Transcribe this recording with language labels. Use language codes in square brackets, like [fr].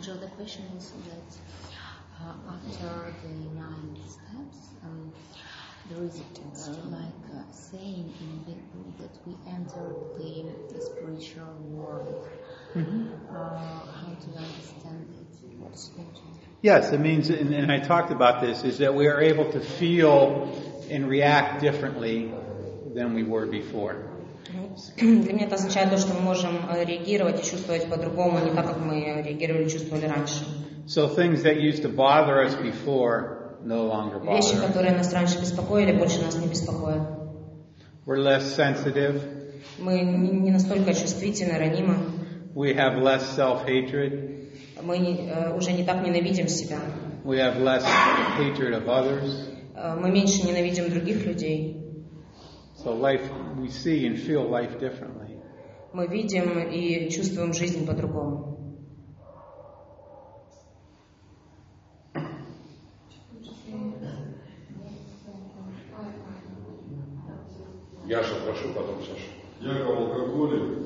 [en] Джо, the question is that after the nine steps, there is a text like saying in the book that we enter the spiritual world. How to understand it? What's spiritual? Yes, it means, and I talked about this, is that we are able to feel and react differently than we were before. [ru] Для меня это означает то, что мы можем реагировать и чувствовать по-другому, не так, как мы реагировали и чувствовали раньше. [en] So things that used to bother us before no longer bother. [ru] Вещи, которые нас раньше беспокоили, больше нас не беспокоят. [en] We're less sensitive. [ru] Мы не настолько чувствительны, ранимы. [en] We have less self-hatred. [ru] Мы уже не так ненавидим себя. [en] We have less hatred of others. [ru] Мы меньше ненавидим других людей. [en] So life, we see and feel life differently. [ru] Мы видим и чувствуем жизнь по-другому. Яша, прошу потом, Саша. Я в алкоголе.